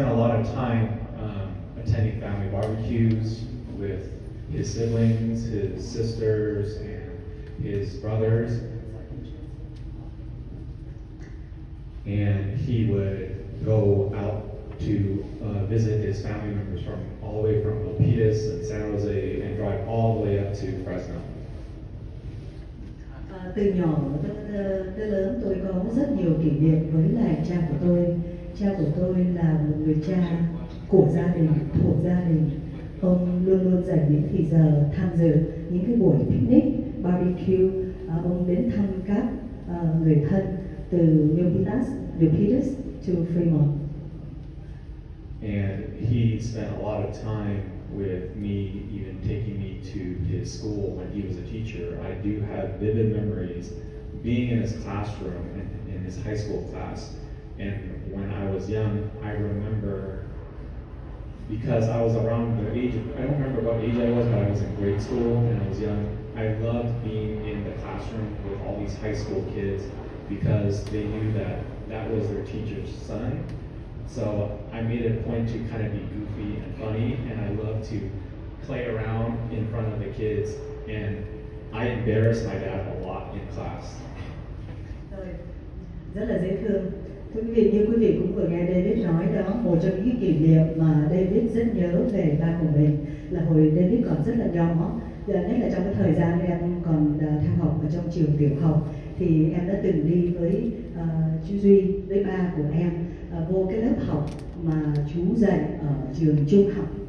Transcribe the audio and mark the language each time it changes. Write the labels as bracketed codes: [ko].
[en] He spent a lot of time attending family barbecues with his siblings, his sisters, and his brothers. And he would go out to visit his family members from all the way from Milpitas and San Jose and drive all the way up to Fresno. [vi] Từ nhỏ tới lớn, tôi có rất nhiều kỷ niệm với lại cha của tôi. Cha của tôi là một người cha của gia đình, thuộc gia đình. Ông luôn luôn dành những thời giờ tham dự những cái buổi picnic, barbecue. Ông đến thăm các người thân từ Milpitas to Fremont. [en] And he spent a lot of time with me, even taking me to his school when he was a teacher. I do have vivid memories being in his classroom in his high school class. And when I was young, I remember, because I was around the age of, I don't remember what age I was, but I was in grade school and I was young. I loved being in the classroom with all these high school kids because they knew that that was their teacher's son. So I made a point to kind of be goofy and funny, and I love to play around in front of the kids, and I embarrass my dad a lot in class. [vi] Rất là dễ thương. Thưa quý vị, như quý vị cũng vừa nghe David nói đó, một trong những kỷ niệm mà David rất nhớ về ba của mình là hồi David còn rất là nhỏ, nhất là trong cái thời gian em còn theo học ở trong trường tiểu học, thì em đã từng đi với chú Duy với ba của em vô cái lớp học mà chú dạy ở trường trung học.